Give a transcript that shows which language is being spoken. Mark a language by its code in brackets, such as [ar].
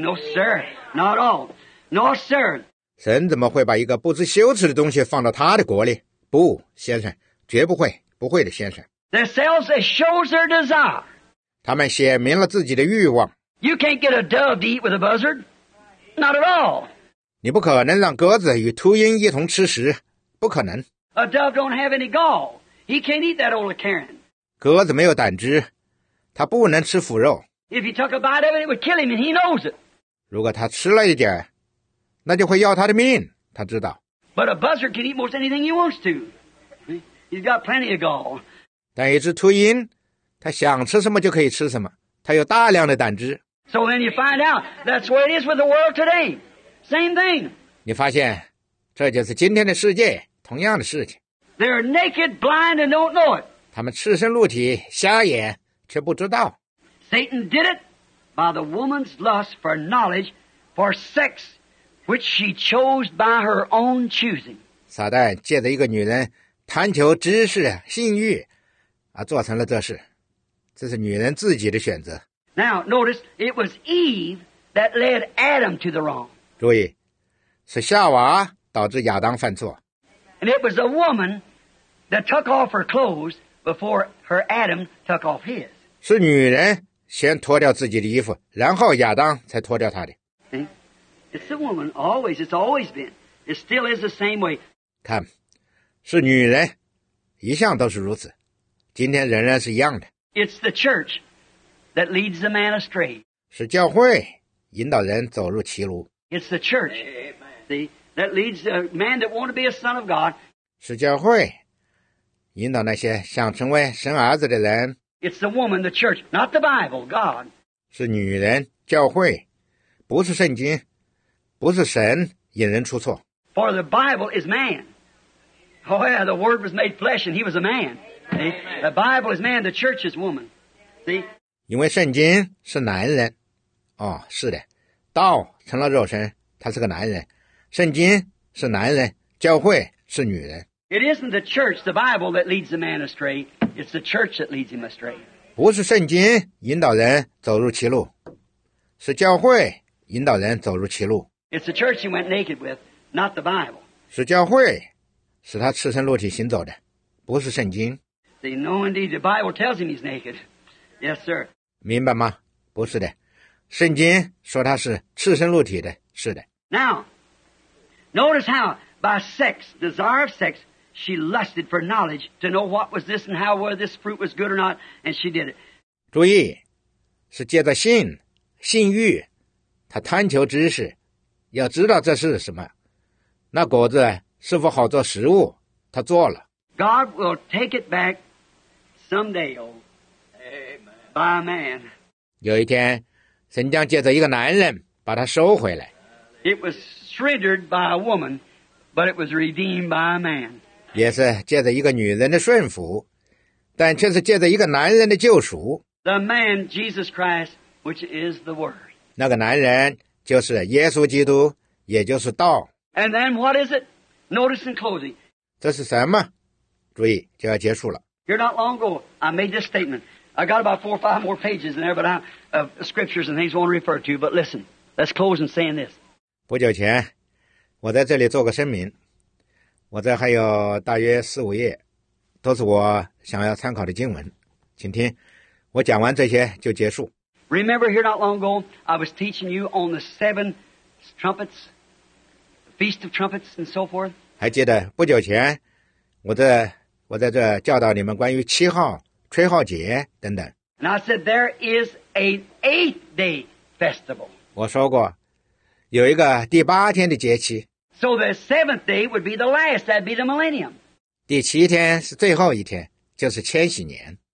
[en] No, sir. Not at all. No, sir. [zh] 神怎么会把一个不知羞耻的东西放到他的国里？不，先生，绝不会，不会的，先生。 [en] The sales that shows their desire. [zh] 他们写明了自己的欲望。 [en] You can't get a dove to eat with a buzzard. Not at all. [zh] 你不可能让鸽子与秃鹰一同吃食，不可能。 [en] A dove don't have any gall. He can't eat that old carrion. [zh] 鸽子没有胆汁，它不能吃腐肉。 [en] If he took a bite of it, it would kill him, and he knows it. [zh] 如果他吃了一点，那就会要他的命，他知道。 [en] But a buzzard can eat most anything he wants to. He's got plenty of gall. [zh] 但一只秃鹰，它想吃什么就可以吃什么，它有大量的胆汁。 [en] So then you find out that's the way it is with the world today. Same thing. [zh] 你发现，这就是今天的世界，同样的事情。 [en] They're naked, blind, and don't know it. [zh] 他们赤身露体，瞎眼，却不知道。 [en] Satan did it by the woman's lust for knowledge, for sex, which she chose by her own choosing. [zh] 撒旦借着一个女人贪求知识、性欲，而做成了这事。这是女人自己的选择。 [en] Now, notice, it was Eve that led Adam to the wrong. [zh] 注意，是夏娃导致亚当犯错。 [en] And it was a woman that took off her clothes before her Adam took off his. [zh] 是女人先脱掉自己的衣服，然后亚当才脱掉他的。 [en] It's the woman, always, it's always been. It still is the same way. [zh] 看，是女人，一向都是如此，今天仍然是一样的。 [en] It's the church that leads the man astray. [zh] 是教会引导人走入歧路。 [en] It's the church, see, that leads the man that want to be a son of God. [zh] 是教会引导那些想成为神儿子的人。 [en] It's the woman, the church, not the Bible, God. [zh] 是女人，教会，不是圣经，不是神引人出错。 [en] For the Bible is man. Oh yeah, the Word was made flesh and he was a man. The Bible is man, the church is woman. See? [zh] 因为圣经是男人。哦，是的，道成了肉身，他是个男人。圣经是男人，教会是女人。 [en] It isn't the church, the Bible, that leads the man astray. It's the church that leads him astray. [zh] 不是圣经引导人走入歧路，是教会引导人走入歧路。 [en] It's the church he went naked with, not the Bible. [zh] 是教会使他赤身裸体行走的，不是圣经。 [en] See, no, indeed, the Bible tells him he's naked. Yes, sir. [zh] 明白吗？不是的，圣经说他是赤身裸体的，是的。 [en] Now, notice how by sex, desire of sex, she lusted for knowledge to know what was this and how whether this fruit was good or not, and she did it. [zh] 注意，是借着性，性欲，她贪求知识，要知道这是什么，那果子是否好做食物，她做了。 [en] God will take it back someday, oh, by man. [zh] 有一天，神将借着一个男人把它收回来。 [en] It was surrendered by a woman, but it was redeemed by a man. [zh] 也是借着一个女人的顺服，但却是借着一个男人的救赎。 [en] The man, Jesus Christ, which is the Word. [zh] 那个男人就是耶稣基督，也就是道。 [en] And then what is it? Notice in closing. [zh] 这是什么？注意，就要结束了。 [en] Here not long ago, I made this statement. I got about four or five more pages in there, but scriptures and things I want to refer to. But listen, let's close in saying this. [zh] 不久前，我在这里做个声明。我这还有大约四五页，都是我想要参考的经文。请听，我讲完这些就结束。 [en] Remember here not long ago, I was teaching you on the seven trumpets, feast of trumpets and so forth. [zh] 还记得不久前我在这教导你们关于七号吹号节等等。 [en] And I said there is an eighth day festival. [zh] 我说过有一个第八天的节期。 [en] So the seventh day would be the last, that'd be the millennium. [zh] 第七天是最后一天，就是千禧年。